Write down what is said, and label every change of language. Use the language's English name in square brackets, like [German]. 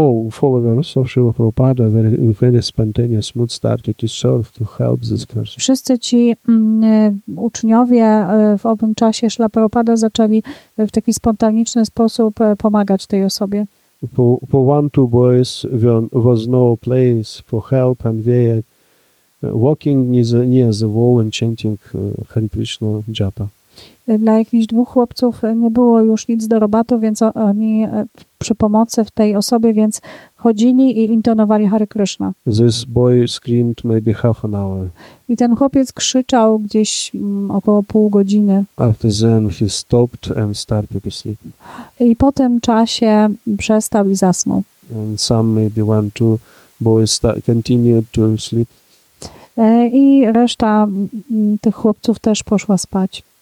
[English] Followers of Śrīla Prabhupāda very spontaneous mood started to serve to help this person. [Polish] Wszyscy ci uczniowie w owym czasie Śrīla Prabhupāda zaczęli w taki spontaniczny sposób pomagać tej osobie. [English] For one, two boys, there was no place for help, and they walking near the wall and chanting Hare Krishna Japa. [Polish] Dla jakichś dwóch chłopców nie było już nic do roboty, więc oni przy pomocy w tej osobie, więc chodzili i intonowali Hare Krishna. [English] This boy screamed maybe half an hour. [Polish] I ten chłopiec krzyczał gdzieś około pół godziny. [English] After then he stopped and started to sleep. [Polish] I po tym czasie przestał i zasnął. [English] And some maybe one, two boys continued to sleep. [Polish] I reszta tych chłopców też poszła spać.